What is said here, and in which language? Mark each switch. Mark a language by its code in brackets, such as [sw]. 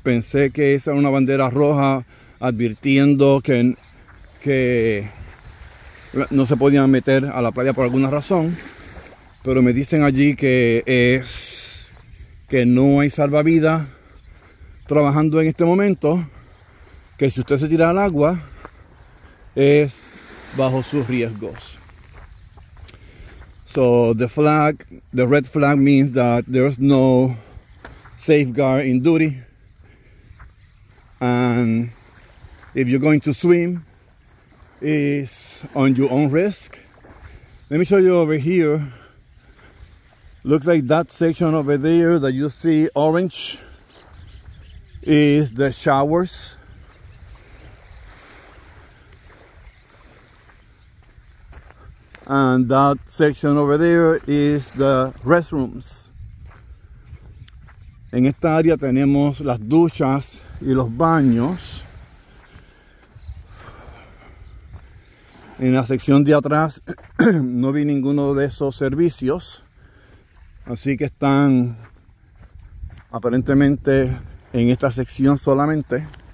[es] Pensé que esa era una bandera roja advirtiendo que no se podían meter a la playa por alguna razón. Pero me dicen allí que no hay salvavidas trabajando en este momento. Que si usted se tira al agua, es bajo sus riesgos. [en] So the flag, the red flag means that there's no safeguard in duty. And if you're going to swim, it's on your own risk. Let me show you over here. Looks like that section over there that you see orange is the showers. And that section over there is the restrooms. [es] En esta área tenemos las duchas y los baños. En la sección de atrás no vi ninguno de esos servicios. Así que están aparentemente en esta sección solamente.